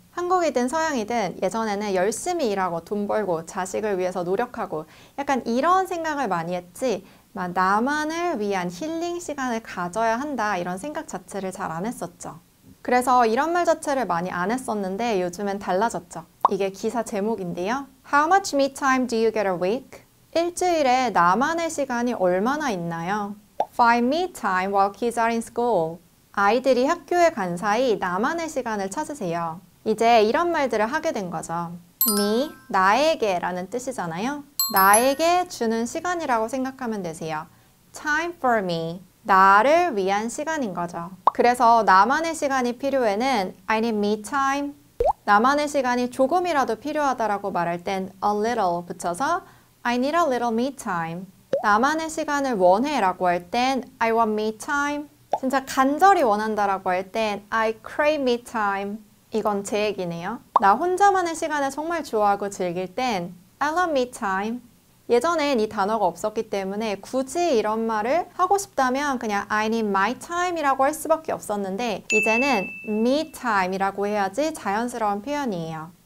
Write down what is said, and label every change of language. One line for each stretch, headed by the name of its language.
Korean: 한국이든 서양이든 예전에는 열심히 일하고 돈 벌고 자식을 위해서 노력하고 약간 이런 생각을 많이 했지, 막 나만을 위한 힐링 시간을 가져야 한다, 이런 생각 자체를 잘안 했었죠. 그래서 이런 말 자체를 많이 안 했었는데 요즘엔 달라졌죠. 이게 기사 제목인데요.
English: How much me time do you get a week?
Korean: 일주일에 나만의 시간이 얼마나 있나요?
English: Find me time while kids are in school.
Korean: 아이들이 학교에 간 사이 나만의 시간을 찾으세요. 이제 이런 말들을 하게 된 거죠. me, 나에게라는 뜻이잖아요. 나에게 주는 시간이라고 생각하면 되세요.
English: time for me,
Korean: 나를 위한 시간인 거죠. 그래서 나만의 시간이 필요해는
English: I need me time.
Korean: 나만의 시간이 조금이라도 필요하다라고 말할 땐 a little 붙여서
English: I need a little me time.
Korean: 나만의 시간을 원해라고 할땐
English: I want me time.
Korean: 진짜 간절히 원한다라고 할땐
English: I crave me time.
Korean: 이건 제 얘기네요. 나 혼자만의 시간을 정말 좋아하고 즐길 땐
English: I love me time.
Korean: 예전엔 이 단어가 없었기 때문에 굳이 이런 말을 하고 싶다면 그냥
English: I need my time
Korean: 이라고 할 수밖에 없었는데 이제는 me time이라고 해야지 자연스러운 표현이에요.